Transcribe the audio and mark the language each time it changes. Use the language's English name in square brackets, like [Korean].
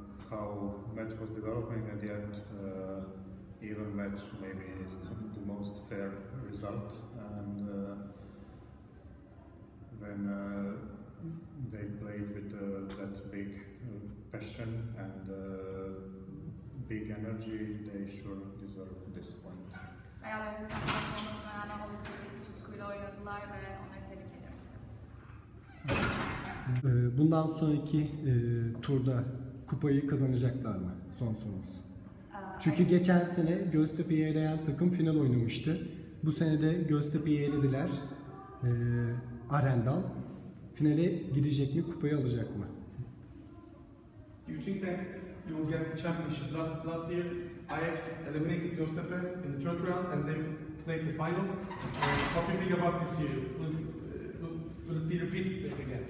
[English] How match was developing at the end, even match maybe is the most fair result. And when they played with that big passion and big energy, they sure deserve this point. [Turkish] Beraber biten maç olmasına rağmen oldukça büyük bir tutkuyla oynadılar ve onları tebrik ediyoruz. Bundan sonraki turda kupayı kazanacaklar mı? Son sorumuz. Çünkü geçen sene Göztepe'yi eleyen takım final oynamıştı. Bu sene de Göztepe'yi elediler. Arendal finale gidecek mi? Kupayı alacak mı? [English] Do you think that you'll get the championship? Last year Ajax eliminated Göztepe in the third round and they played the final. What do you think about this year? Will it be repeated again?